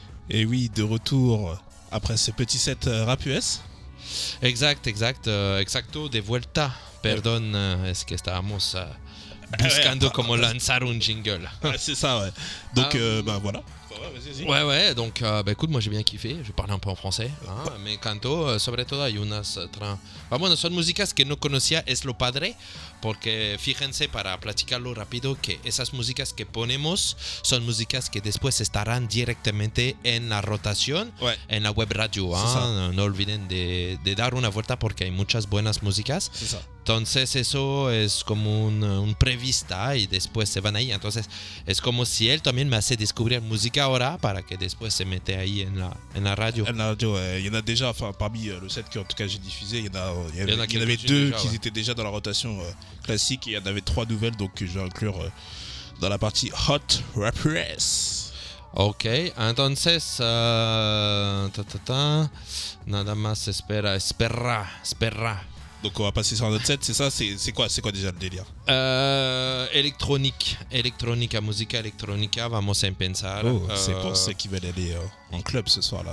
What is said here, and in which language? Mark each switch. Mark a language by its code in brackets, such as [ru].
[fr] Et oui, de retour après ce petit set rap US. Exact, exact. [es] Exacto, de vuelta. Perdón, es que estábamos buscando cómo lanzar un jingle. [fr] Ouais, c'est ça, ouais. Donc, bah voilà. Ouais, ouais. Donc, bah, écoute, moi j'ai bien kiffé. Je parlais un peu en français. [es] Hein, mais canto, sobre todo, hay unas tran. Bueno, son músicas que no conocía, es lo padre. Porque fíjense, para platicarlo rápido, que esas músicas que ponemos son músicas que después estarán directamente en la rotación, [fr] ouais, [es] en la web radio. Hein, no olviden de dar una vuelta porque hay muchas buenas músicas. [fr] C'est ça. [es] Entonces, eso es como un prevista y después se van ahí. Entonces, es como si él también me hace descubrir música ahora para que después se mete ahí en la radio. En la radio, [fr] il y en a déjà, enfin, parmi le set que en tout cas j'ai diffusé, il y en avait deux qui étaient déjà dans la rotation classique et il y en avait trois nouvelles, donc que je vais inclure dans la partie Hot Rappers. [es] Ok, entonces, nada más espera. [fr] Donc on va passer sur un autre set, c'est ça, c'est quoi déjà le délire? [es] Electronica, música electronica, vamos a empezar. [fr] Oh, c'est pour ceux qui veulent aller en club ce soir là.